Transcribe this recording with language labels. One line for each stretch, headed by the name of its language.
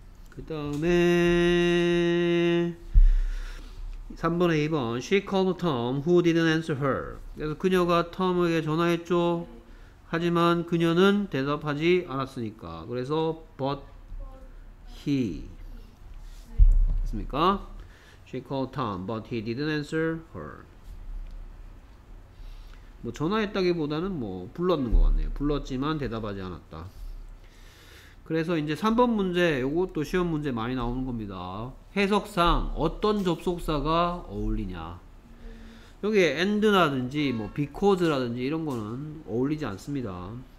Korean: 그 다음에 3번에 2번
English: She called Tom who didn't answer her.
Korean: 그래서 그녀가 Tom에게 전화했죠. 하지만 그녀는 대답하지 않았으니까 그래서 but he 됐습니까?
English: She called Tom but he didn't answer her.
Korean: 뭐 전화했다기보다는 뭐 불렀는 것 같네요. 불렀지만 대답하지 않았다. 그래서 이제 3번 문제 요것도 시험 문제 많이 나오는 겁니다. 해석상 어떤 접속사가 어울리냐. 여기에 and라든지 뭐 because라든지 이런 거는 어울리지 않습니다.